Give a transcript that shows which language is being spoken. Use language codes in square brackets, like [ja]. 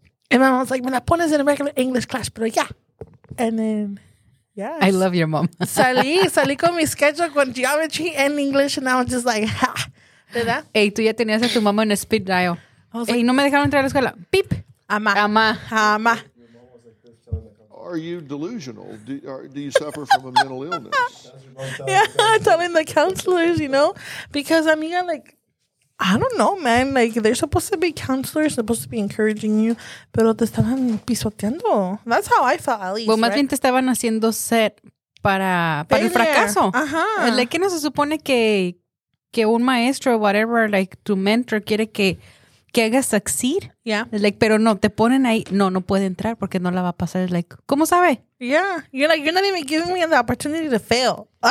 [en] And my mom's like, [es] me la pones [en] in a regular English class, [es] pero ya. [en] And then, yes. I love your mom. [es] Salí con mi schedule con geometry [en] and English, and I was just like, ha. [es] ¿Verdad? Hey, tú ya tenías a tu mamá en [en] speed dial. [es] Hey, no me dejaron entrar a la escuela. Pip. Amá. Amá. Amá. [en] Are you delusional? Do you suffer from a mental illness? Yeah, telling the counselors, you know? Because, amiga, like... I don't know, man. Like, they're supposed to be counselors, supposed to be encouraging you, [es] pero te estaban pisoteando. [en] That's how I felt, at least. [es] Well, más bien te estaban haciendo ser para el fracaso. Ajá. Like, ¿no se supone que un maestro, [en] whatever, like, [es] tu mentor quiere que hagas [en] succeed? Yeah. [es] Like, pero no, te ponen ahí. No, no puede entrar porque no la va a pasar. Like, ¿cómo sabe? [en] Yeah. You're like, you're not even giving me the opportunity to fail.